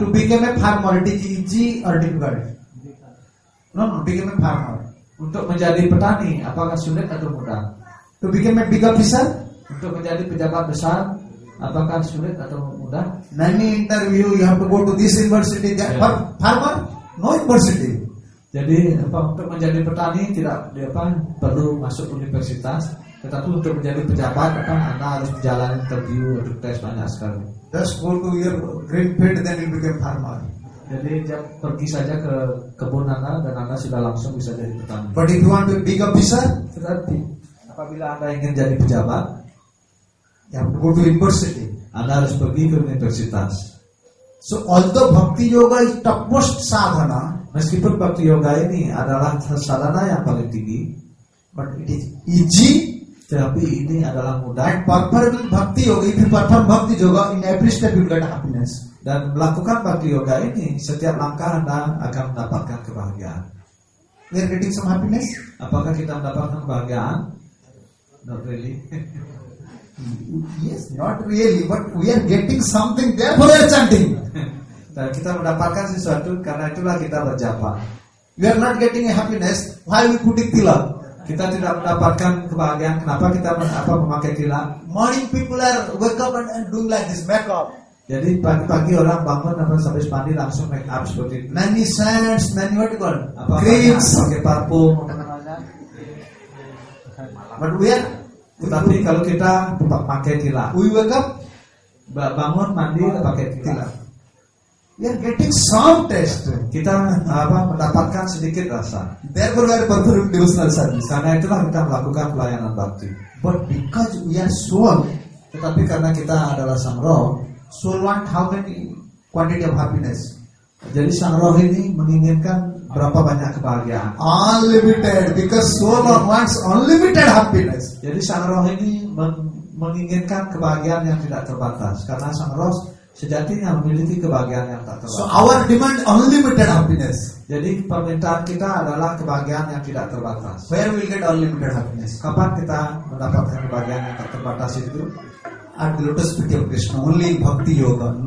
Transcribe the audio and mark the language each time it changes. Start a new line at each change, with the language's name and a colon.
English: To become a farmer, it is easy or difficult? No, become a farmer.
Indonesian: Untuk menjadi petani, apakah sulit atau mudah?
English: To become a big officer?
Indonesian: Untuk menjadi pejabat besar, apakah sulit atau mudah?
English: Many interview, you have to go to this university. Farmer, no university.
Indonesian: Jadi, untuk menjadi petani tidak apa perlu masuk universitas. Tetapi untuk menjadi pejabat, apa anda harus menjalani interview untuk tes banyak sekali.
English: Just go to your green field, then you become farmer.
Indonesian: Jadi, jangan pergi saja ke kebun anda dan anda sudah langsung bisa jadi petani.
English: But if you want to become officer,
Indonesian: tetapi apabila anda ingin jadi pejabat,
English: you go to university.
Indonesian: Anda harus pergi ke universitas.
English: So although bhakti yoga is topmost sadhana,
Indonesian: meskipun bhakti yoga ini adalah sadhana yang paling tinggi,
English: but it is easy.
Indonesian: Tetapi ini adalah mudah.
English: And perform bhakti yoga, if you perform bhakti yoga, in every step you get happiness.
Indonesian: Dan melakukan bhakti yoga ini, setiap langkah anda akan mendapatkan kebahagiaan.
English: We are getting some happiness.
Indonesian: Apakah kita mendapatkan kebahagiaan?
English: Not really. Yes, not really, but we are getting something, therefore we are chanting.
Indonesian: Dan kita mendapatkan sesuatu, karena itulah kita berjapa.
English: We are not getting a happiness, why we putting tilak?
Indonesian: Kita tidak mendapatkan kebahagiaan, kenapa kita memakai tilak?
English: Morning people are wake up and doing like this, make up.
Indonesian: Jadi pagi-pagi orang bangun dan sampai mandi langsung make up seperti itu.
English: Many scents, many what you call?
Indonesian: Apa creams. Pakai parfum.
English: But we are.
Indonesian: Tetapi kalau kita pakai tilak,
English: we wake up,
Indonesian: bangun, mandi, pakai tilak.
English: We are getting some taste.
Indonesian: Kita apa mendapatkan sedikit rasa.
English: Therefore we are performing devotional service.
Indonesian: Karena itulah kita melakukan pelayanan bhakti.
English: But because we are soul,
Indonesian: tetapi karena kita adalah sang roh,
English: soul want how many quantity of happiness?
Indonesian: Jadi sang roh ini menginginkan berapa banyak kebahagiaan?
English: Unlimited, because soul wants unlimited happiness.
Indonesian: Jadi sang roh ini menginginkan kebahagiaan yang tidak terbatas. Karena sang roh sejatinya memiliki kebahagiaan yang tak terbatas.
English: So our demand unlimited happiness.
Indonesian: Jadi permintaan kita adalah kebahagiaan yang tidak terbatas.
English: Where we get unlimited happiness?
Indonesian: Kapan kita mendapatkan kebahagiaan yang tak terbatas itu?
English: At the lotus feet of Krishna, only in bhakti yoga.